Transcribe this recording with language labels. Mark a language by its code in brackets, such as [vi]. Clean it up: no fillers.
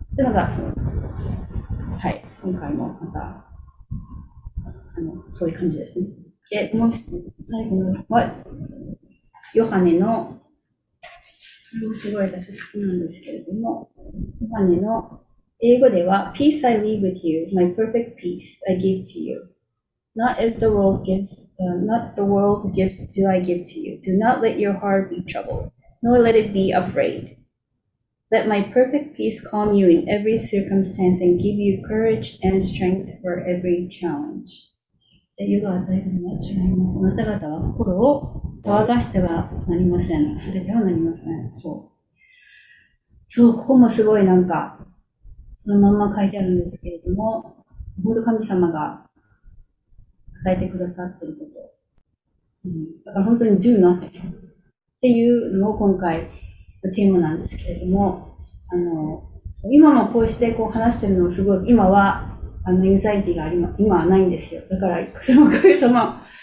[ja] というのが、その、はい、今回もまた、そういう感じですね。で、もう最後のは、ヨハネの、これもすごい私好きなんですけれども、ヨハネの、英語では、 [en] peace I leave with you, my perfect peace I give to you. Not as the world gives, not the world gives do I give to you. Do not let your heart be troubled, nor let it be afraid. Let my perfect peace calm you in every circumstance and give you courage and strength for every challenge. [ja] 世が与えるのは違います。あなた方は心を騒がしてはなりません。忘れてはなりません。そう。そう、ここもすごいなんか、そのまんま書いてあるんですけれども、本当神様が与えてくださっていること。うん、だから本当に純なっていうのを今回のテーマなんですけれども、今もこうしてこう話してるのをすごい、今は、エンザイティがありま、今はないんですよ。だから、その神様、